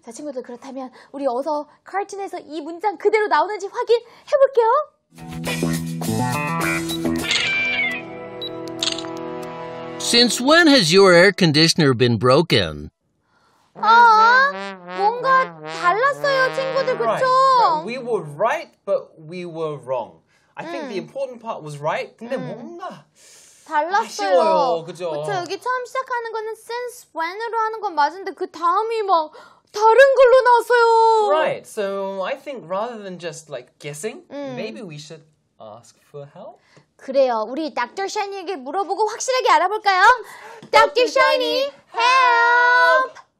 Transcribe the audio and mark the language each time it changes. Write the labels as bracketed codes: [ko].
[ko] 자, 친구들 그렇다면 우리 어서 카르틴에서 이 문장 그대로 나오는지 확인해볼게요. [en] 'Since when has your air conditioner been broken?' [ko] 뭔가 달랐어요, 친구들, 그쵸? [en] Right. We were right, but we were wrong. I think the important part was right, [ko] 근데 뭔가 달랐어요. 아쉬워요, 그죠? 그쵸, 여기 처음 시작하는 거는 since when으로 하는 건 맞은데 그 다음이 막 다른 걸로 나왔어요. [en] Right, so I think rather than just like guessing, maybe we should ask for help. [ko] 그래요. 우리 닥터 샤이니에게 물어보고 확실하게 알아볼까요? 닥터 샤이니, help!